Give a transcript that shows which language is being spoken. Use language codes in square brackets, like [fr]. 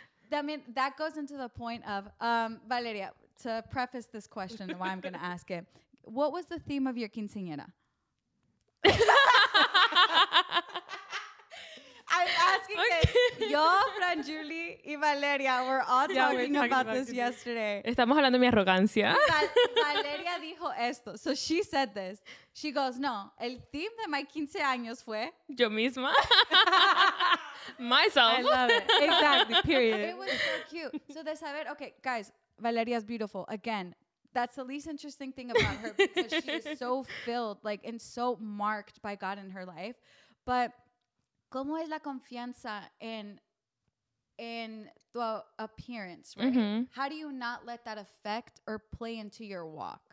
[en] I mean, that goes into the point of, Valeria, to preface this question, why I'm going to ask it. What was the theme of your quinceañera? I'm asking this. Yo, Fran, Julie, y Valeria were all talking about this yesterday. [es] Estamos hablando de mi arrogancia. Valeria dijo esto. [en] So she said this. She goes, no, [es] el theme de [en] my 15 [es] años fue... Yo misma. [en] Myself. I love it. Exactly, period. It was so cute. [es] So de saber, [en] okay, guys, Valeria's beautiful. Again, that's the least interesting thing about her, because she is so filled, like, and so marked by God in her life. But [es] ¿cómo es la confianza en tu [en] appearance, right? Mm-hmm. How do you not let that affect or play into your walk?